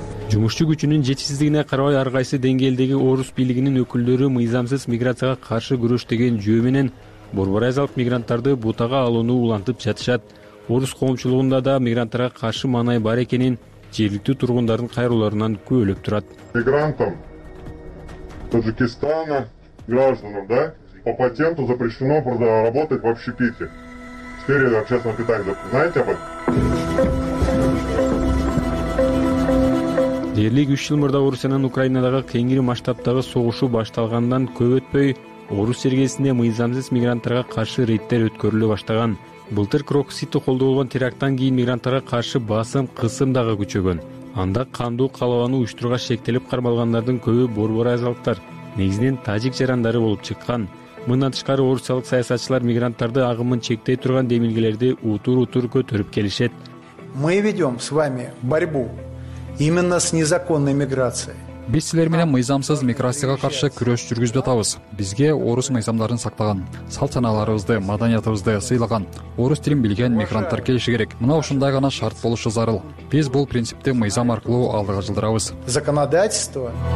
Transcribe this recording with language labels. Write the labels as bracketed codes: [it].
[ky] Жумушчу күчүнүн жетишсиздигине карабай ар кайсы деңгээлдеги орус бийлигинин өкүлдөрү мыйзамсыз миграцияга каршы күрөш деген жөө менен борбораздык мигранттарды бутага алууну улантып жатышат. Орус коомчулугунда да мигранттарга каршы маанай бар экенин жергиликтүү тургундардын кайрылуусунан күбөлөп турат. [ru] Мигрантам Таджикистана гражданам, да, по патенту запрещено работать в общепите. В сфере общественного питания. Знаете об этом? [ky] Дээрлик 3 жыл мурда Орусиянын Украинадагы кеңири масштабтагы согушу башталгандан көп өтпөй, орус жергесинде мыйзамсыз мигранттарга каршы рейдтер өткөрүлө баштаган. Былтыр Крок-Сити колдонулган терактан кийин мигранттарга каршы басым, кысым дагы күчөгөн. Анда кандуу калабаны уюштурууга шектелип кармалгандардын көбү борбораздыктар, негизинен тажик жарандары болуп чыккан. Мындан тышкары орусиялык саясатчылар мигранттарды агымын чектей турган демилгелерди утур-утур көтөрүп келишет. [ru] Мы ведем с вами борьбу именно с незаконной миграцией. [ky] Биз силер менен мыйзамсыз миграцияга каршы күрөш жүргүзүп жатабыз. Бизге орус мыйзамдарын сактаган, салт-санааларыбызды, маданиятыбызды сыйлаган, орус тилин билген мигранттар келиши керек. Мына ушундай гана шарт болушу зарыл. Биз бул принципти мыйзам аркылуу алдыга жылдырабыз. [ru] Законодательство.